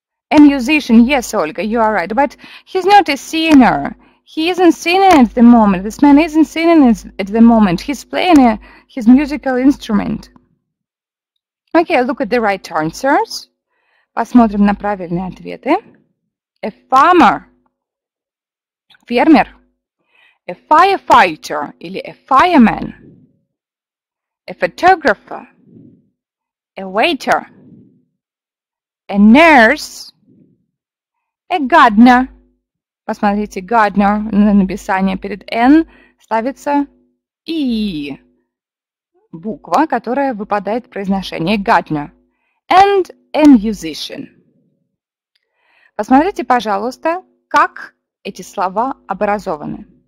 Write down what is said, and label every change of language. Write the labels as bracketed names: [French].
[English] A musician, yes, Olga, you are right. But he's not a singer. He isn't singing at the moment. This man isn't singing at the moment. He's playing his musical instrument. Okay, look at the right answers. [Russian] Посмотрим на правильные ответы. [English] A farmer. Фермер. A firefighter. Или a fireman. A photographer, a waiter, a nurse, A gardener. [Russian] Посмотрите, gardener на написание перед N ставится E. Буква, которая выпадает в произношении gardener. [English] And a musician. [Russian] Посмотрите, пожалуйста, как эти слова образованы.